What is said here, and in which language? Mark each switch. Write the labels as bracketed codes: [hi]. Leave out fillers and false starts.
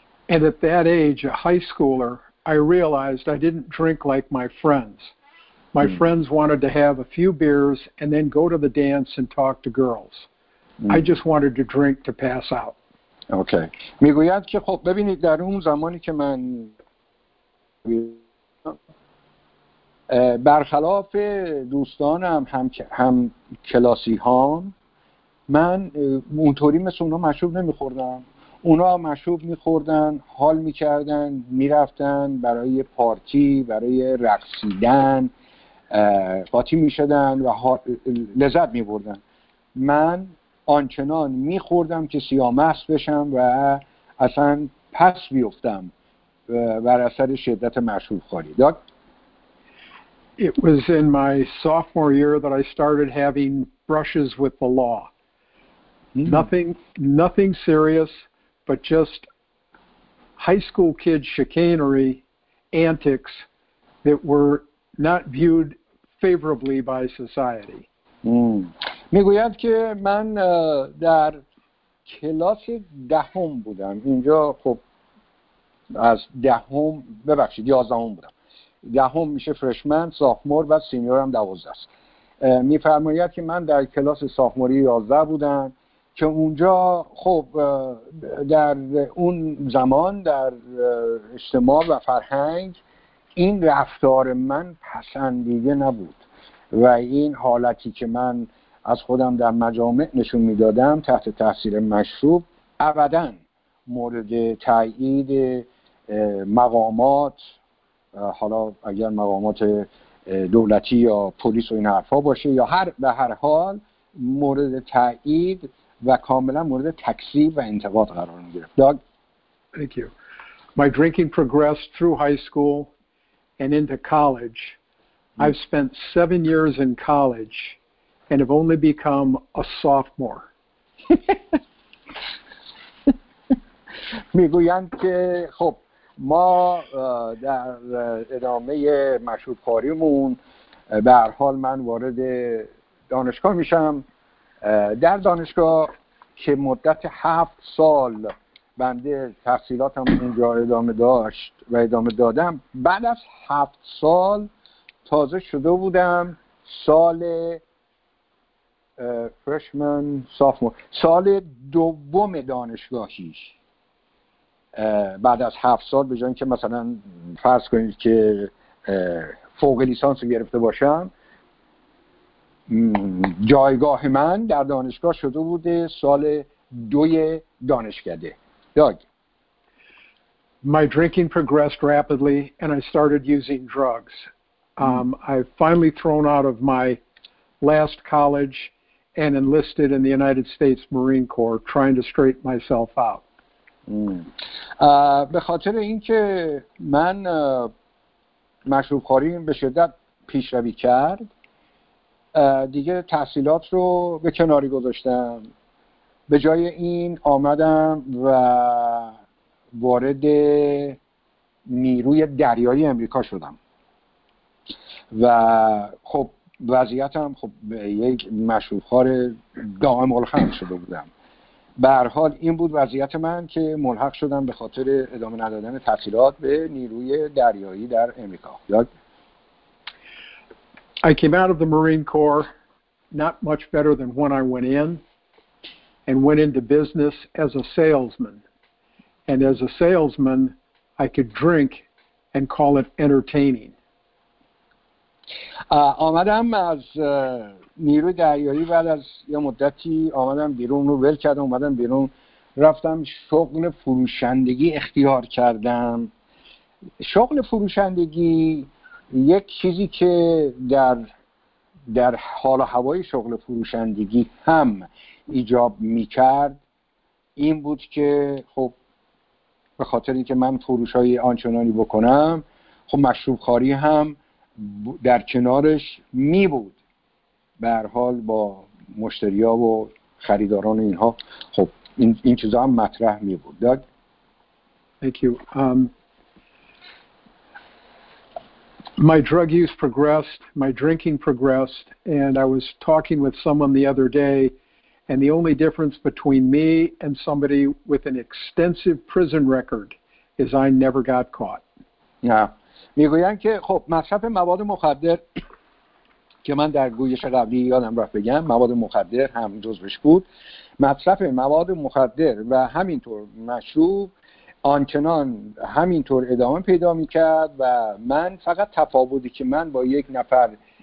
[en] And at that age, a high schooler, I realized I didn't drink like my friends. My friends wanted to have a few beers and then go to the dance and talk to girls. I just wanted to drink to pass out. Okay. [fa] میگویند که خب ببینید در اون زمانی که من برخلاف دوستانم هم کلاسی هام، من اونطوری مثل اونا مشروب نمیخوردم. اونا مشروب میخوردن، حال میکردن، میرفتن برای پارتی، برای رقصیدن قاطی میشدن و لذت میبردن. من آنچنان میخوردم که سیامست بشم و اصلا پس بیفتم بر اثر شدت مشروب خوری. [en] It was in my sophomore year that I started having brushes with the law. Nothing serious, but just high school kid chicanery antics that were not viewed favorably by society. [fa] میگویند که من در کلاس دهم بودم. اینجا خب از دهم ببخشید یازدهم بودم. دهم میشه فرشمن، ساخمور و سینیور هم دوازده است. میفرماید که من در کلاس ساخموری یازده بودم که اونجا خب در اون زمان در اجتماع و فرهنگ این رفتار من پسندیده نبود و این حالتی که من از خودم در مجامع نشون میدادم تحت تاثیر مشروب ابدا مورد تایید مقامات، حالا اگر مقامات دولتی یا پلیس و این حرفا باشه یا هر به هر حال مورد تایید و کاملا مورد تکذیب و انتقاد قرار می گرفت. داگ. [en] Thank you. My drinking progressed through high school and into college. I've spent 7 years in college and have only become a sophomore. [fa] می گویند که خب ما در ادامه مشروبخواریمون به هر حال من وارد دانشگاه میشم. در دانشگاه که مدت 7 سال بنده تحصیلاتم اونجا ادامه داشت و ادامه دادم، بعد از 7 سال تازه شده بودم سال فرشمن سافمور، سال دوم دانشگاهیش. بعد از 7 سال به جایی که مثلا فرض کنید که فوق لیسانس گرفته باشم، جایگاه من در دانشگاه شده بوده سال دوی دانشکده. داگ. [en] My drinking progressed rapidly and I started using drugs. I've finally thrown out of my last college and enlisted in the United States Marine Corps trying to straighten myself out. [fa] به خاطر اینکه من مشروب خوری به شدت پیشروی کرد، دیگه تحصیلات رو به کناری گذاشتم. به جای این آمدم و وارد نیروی دریایی امریکا شدم و خب وضعیتم خب به یک مشروب خور دائم الخمر شده بودم. به هر حال این بود وضعیت من که ملحق شدم به خاطر ادامه ندادن تحصیلات به نیروی دریایی در امریکا. یاد. [en] I came out of the Marine Corps not much better than when I went in and went into business as a salesman. And as a salesman, I could drink and call it entertaining. [fa] آمدم از نیروی دریایی، بعد از یه مدتی آمدم بیرون، رو ول کردم، آمدم بیرون، رفتم شغل فروشندگی اختیار کردم. شغل فروشندگی یک چیزی که در در حال و هوای شغل فروشندگی هم ایجاب میکرد این بود که خب به خاطر اینکه من فروشای آنچنانی بکنم خب مشروب خاری هم در کنارش می بود به هر حال با مشتری ها و خریداران اینها خب این چیزا هم مطرح می بود. داد [en] Thank you. My drug use progressed, my drinking progressed, and I was talking with someone the other day, and the only difference between me and somebody with an extensive prison record is I never got caught. Yeah. [fa] میگویان که خب مصرف مواد مخدر که من در گویش قبلی یادم رفت بگم مواد مخدر هم جزوش بود مصرف مواد مخدر و همینطور مشروب آنچنان همینطور ادامه پیدا میکرد و من فقط تفاوتی که من با یک نفر